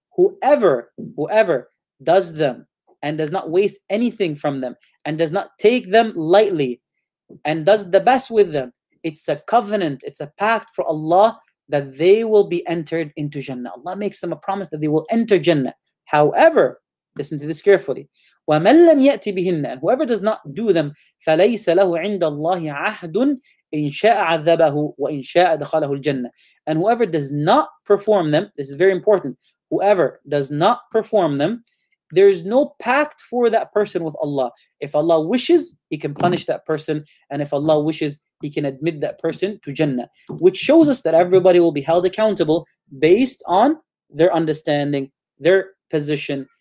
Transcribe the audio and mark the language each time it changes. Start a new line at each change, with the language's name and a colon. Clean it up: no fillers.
English: Whoever does them and does not waste anything from them and does not take them lightly and does the best with them, it's a covenant, it's a pact for Allah that they will be entered into Jannah. Allah makes them a promise that they will enter Jannah. However, listen to this carefully.
Arabic: وَمَنْ لَمْ يَأْتِ بِهِنَّ.
English: Whoever does not do them,
Arabic: فَلَيْسَ لَهُ عِنْدَ اللَّهِ عَهْدٌ إِنْ شَاءَ عَذَّبَهُ وَإِنْ شَاءَ دَخَلَهُ الْجَنَّةِ.
English: And whoever does not perform them, this is very important, whoever does not perform them, there is no pact for that person with Allah. If Allah wishes, He can punish that person. And if Allah wishes, He can admit that person to Jannah. Which shows us that everybody will be held accountable based on their understanding, their position.